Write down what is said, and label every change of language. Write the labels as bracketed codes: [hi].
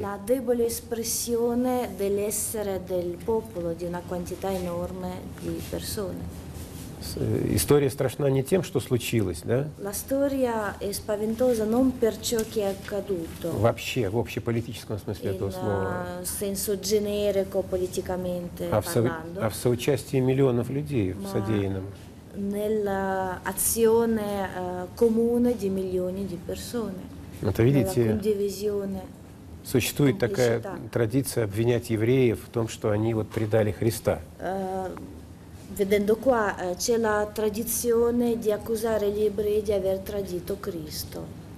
[it] La debole espressione dell'essere del popolo di una quantità enorme di persone. [ru] История страшна не тем, что случилось, да? [it] La storia è spaventosa non per ciò che è accaduto. [ru] Вообще, в общеполитическом смысле этого слова. [it] In senso generico politicamente parlando. [ru] А в соучастии миллионов людей в содеянном. [it] Nell'azione comune di milioni di persone. [ru] Это, видите, [it] nella condivisione. [ru] Существует такая традиция обвинять евреев в том, что они вот предали Христа. [it] Vedendo qua c'è la tradizione di accusare gli ebrei di aver tradito Cristo.